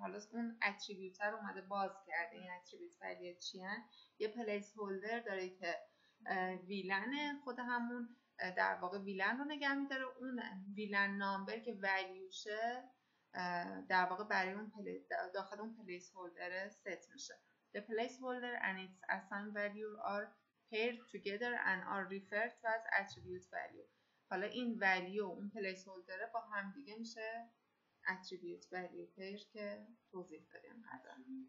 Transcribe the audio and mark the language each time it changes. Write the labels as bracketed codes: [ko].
[fa] حالا اون attribute رو اومده باز کرده، این attribute value چی هست؟ یه placeholder داره که VLAN خود همون در واقع VLAN رو نگه میداره، اون VLAN number که valueشه در واقع برای اون داخل اون placeholder set میشه. [en] The placeholder and its assigned value are paired together and are referred to as attribute value. [fa] حالا این value و اون placeholder با هم دیگه میشه attribute value pair که توضیح دادیم قبلا.